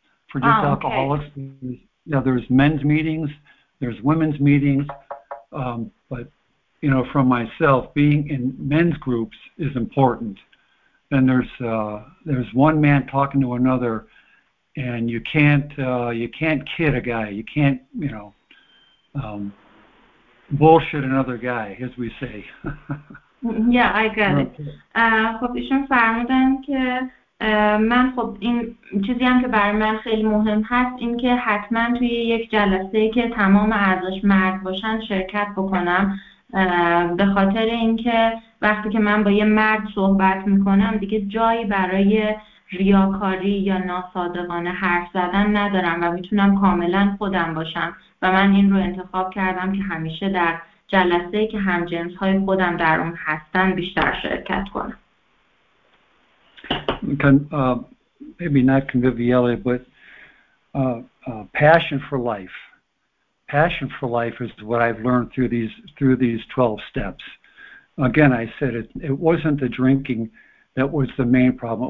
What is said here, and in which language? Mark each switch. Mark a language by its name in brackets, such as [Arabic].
[English] For just alcoholics, there's men's meetings, there's women's meetings, but, you know, for myself, being in men's groups is important. Then there's one man talking to another, and you can't kid a guy, you can't, you know, bullshit another guy, as we say. Yeah, I got it. [Persian] خب ایشون فرمودن که من خب این چیزی هم که برای من خیلی مهم هست این که حتما توی یک جلسه که تمام اعضاش مرد باشن شرکت بکنم به خاطر اینکه وقتی که من با یه مرد صحبت میکنم دیگه جایی برای ریاکاری یا ناصادقانه حرف زدن ندارم و میتونم کاملا خودم باشم و من این رو انتخاب کردم که همیشه در جلسه که همجنس های خودم در اون هستن بیشتر شرکت کنم. [English] Maybe not conviviality, but passion for life. Passion for life is what I've learned through these 12 steps. Again, I said it wasn't the drinking that was the main problem.